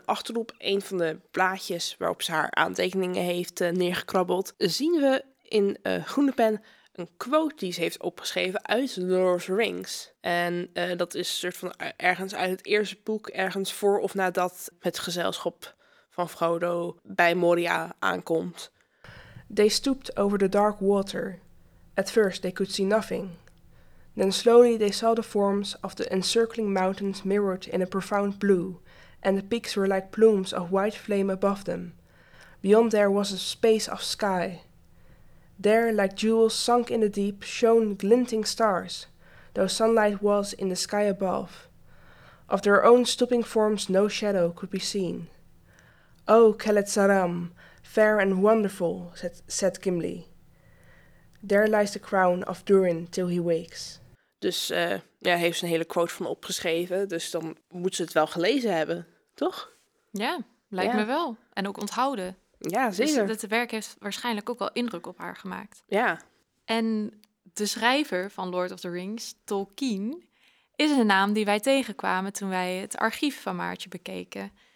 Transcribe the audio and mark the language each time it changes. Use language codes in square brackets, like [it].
[nl] En achterop een van de plaatjes waarop ze haar aantekeningen heeft neergekrabbeld, zien we in groene pen een quote die ze heeft opgeschreven uit The Lord of the Rings. En dat is soort van ergens uit het eerste boek, ergens voor of nadat het gezelschap van Frodo bij Moria aankomt. [en] They stooped over the dark water. At first they could see nothing. Then slowly they saw the forms of the encircling mountains mirrored in a profound blue, and the peaks were like plumes of white flame above them. Beyond there was a space of sky. There, like jewels sunk in the deep, shone glinting stars, though sunlight was in the sky above. Of their own stooping forms no shadow could be seen. Oh, Kelet-Saram, fair and wonderful, said Gimli. There lies the crown of Durin till he wakes. [nl] Dus heeft ze een hele quote van opgeschreven, dus dan moet ze het wel gelezen hebben, toch? Ja, lijkt me wel. En ook onthouden. Ja, zeker. Dus het werk heeft waarschijnlijk ook wel indruk op haar gemaakt. Ja. En de schrijver van Lord of the Rings, Tolkien, is een naam die wij tegenkwamen toen wij het archief van Maartje bekeken.